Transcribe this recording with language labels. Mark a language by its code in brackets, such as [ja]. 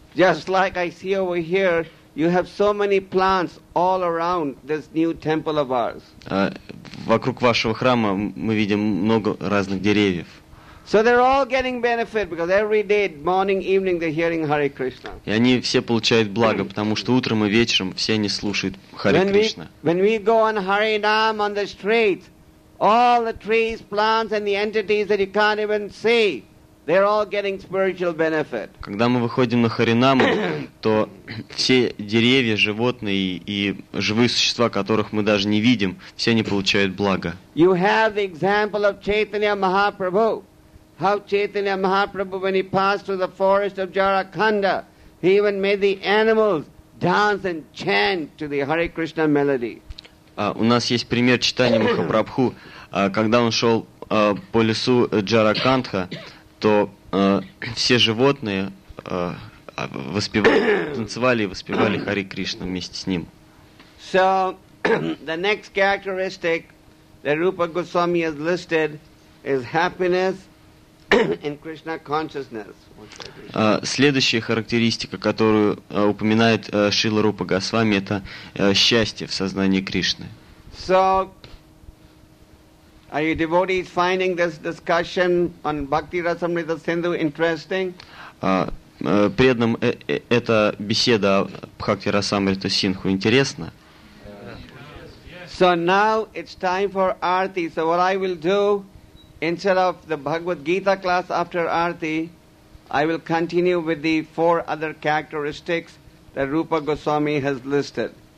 [en] Just like I see over here, you have so many plants all around this new temple of ours. [ru] Вокруг вашего храма мы видим много разных деревьев. [en] So they're all getting benefit because every day, morning, evening, they're hearing Hare Krishna. [ru] И они все получают благо, потому что утром и вечером все они слушают Hare Krishna. [en] When we go on Hare Nam on the streets, all the trees, plants, and the entities that you can't even see, they're all getting spiritual benefit. [ru] Когда мы выходим на Hare Nam, то все деревья, животные и живые существа, которых мы даже не видим, все они получают благо. [en] You have the example of Chaitanya Mahaprabhu. How Chaitanya Mahaprabhu, when he passed through the forest of Jarakhanda, he even made the animals dance and chant to the Hare Krishna melody. [ru] У нас есть пример Чайтаньи Махапрабху. Когда он шел по лесу Джаракандха, то все животные танцевали и воспевали Хари Кришна вместе с ним. [en] So, the next characteristic that Rupa Goswami has listed is happiness in Krishna consciousness. [ru] Следующая характеристика, которую упоминает Шрила Рупа Госвами, это счастье в сознании Кришны. [en] So, are you devotees finding this discussion on Bhakti Rasamrita Sindhu interesting? [ru] Преданным эта беседа о Бхакти Расамрита Синху интересна? [en] So now it's time for Aarti. So what I will do, instead of the Bhagavad Gita class after Aarti, I will continue with the four other characteristics that Rupa Goswami has listed.